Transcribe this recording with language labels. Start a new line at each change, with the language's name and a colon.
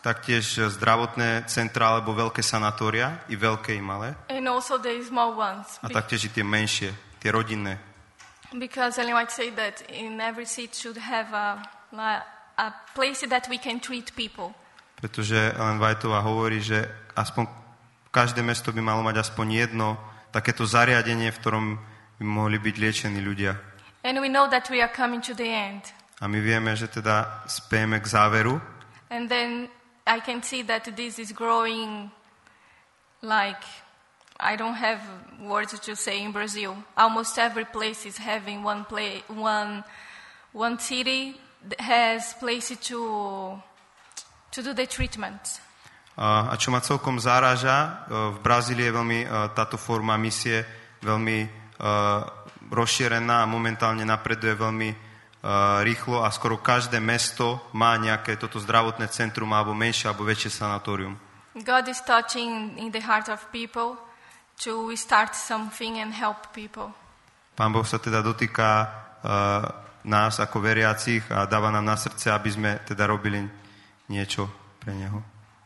Slovak: Taktiež zdravotné centra alebo veľké sanatória, i veľké i malé.
English: And also the small ones.
Slovak: A taktiež i tie menšie, tie rodinné.
English: Because I might say that in every city should have a place that we can treat people.
Slovak: Pretože Ellen Whiteová hovorí, že aspoň každé mesto by malo mať aspoň jedno takéto zariadenie, v ktorom by mohli byť liečení ľudia.
English: And we know that we are coming to the end.
Slovak: A my vieme, že teda spieme k záveru.
English: And then I can see that this is growing like I don't have words to say in Brazil. Almost every place is having one city has place to do the treatment.
Slovak: A čo ma celkom zaráža, v Brazílii je veľmi táto forma misie veľmi rozšírená a momentálne napreduje veľmi rýchlo a skoro každé mesto má nejaké toto zdravotné centrum alebo menšie alebo väčšie sanatórium.
English: God is touching in the heart of people to start something and help people.
Slovak: Pán Boh sa teda dotýka nás ako veriacich a dáva nám na srdce, aby sme teda robili niečo pre Neho.